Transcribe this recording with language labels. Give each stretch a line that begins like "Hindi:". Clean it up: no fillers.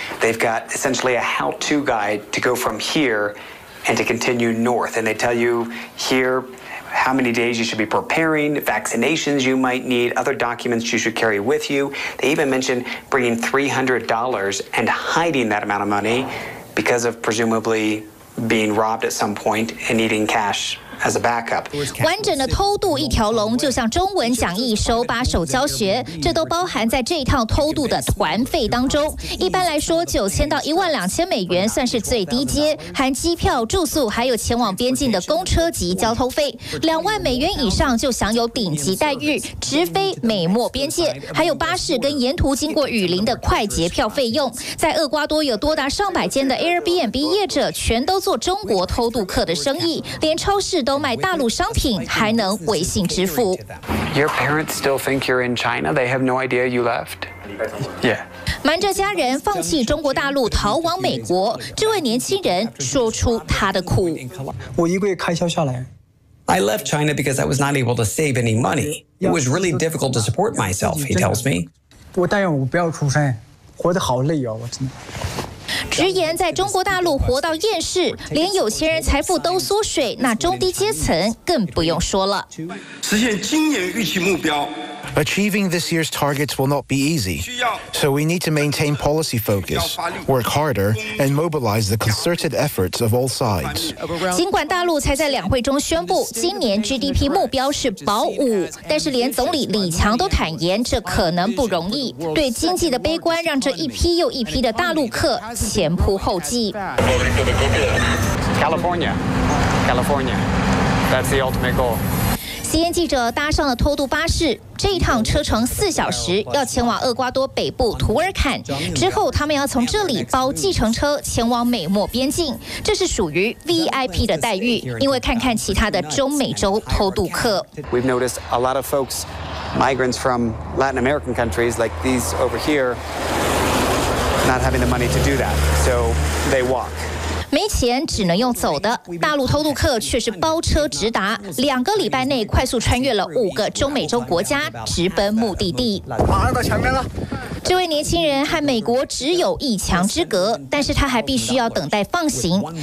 English: They've got essentially a how-to guide to go from here and to continue north, and they tell you here. How many days you should be preparing, vaccinations you might need, other documents you should carry with you. They even mentioned bringing $300 and hiding that amount of money because of presumably being robbed at some point and needing cash. As a backup.
Chinese: 完整的偷渡一条龙，就像中文讲义手把手教学，这都包含在这一趟偷渡的团费当中。一般来说，9000到12000美元算是最低阶，含机票、住宿，还有前往边境的公车及交通费。 20000美元以上就享有顶级待遇，直飞美墨边界，还有巴士跟沿途经过雨林的快捷票费用。在厄瓜多有多达上百间的 Airbnb 业者，全都做中国偷渡客的生意，连超市。都买大陆商品，还能微信支付。
English: Your parents still think you're in China. They have no idea you left. Yeah.
Chinese: 瞒着家人放弃中国大陆逃往美国，这位年轻人说出他的苦。我一个月开销下来
English: ，I left China because I was not able to save any money. It was really difficult to support myself. He tells me.
Chinese: 我但愿我不要出山，活得好累啊！我真的。直言在中国大陆活到厌世，连有钱人财富都缩水，那中低阶层更不用说了。实现今年预期目标，
English: Achieving this year's targets will not be easy. So we need to maintain policy focus, work harder, and mobilize the concerted efforts of all sides.
Chinese: 尽管大陆才在两会中宣布今年 GDP 目标是保五，但是连总理李强都坦言这可能不容易。对经济的悲观让这一批又一批的大陆客前仆后继。
English: California, California, that's the ultimate goal.
Chinese: CN 记者搭上了偷渡巴士，这一趟车程4小时，要前往厄瓜多北部图尔坎，之后他们要从这里包计程车前往美墨边境，这是属于 VIP 的待遇，因为看看其他的中美洲偷渡客。
English: We've noticed a lot of folks, migrants from Latin American countries like these over here, not having the money to do that, so they walk.
Chinese: 没钱只能用走的，大陆偷渡客却是包车直达，两个礼拜内快速穿越了5个中美洲国家，直奔目的地。马上到前面了。这位年轻人和美国只有一墙之隔，但是他还必须要等待放行。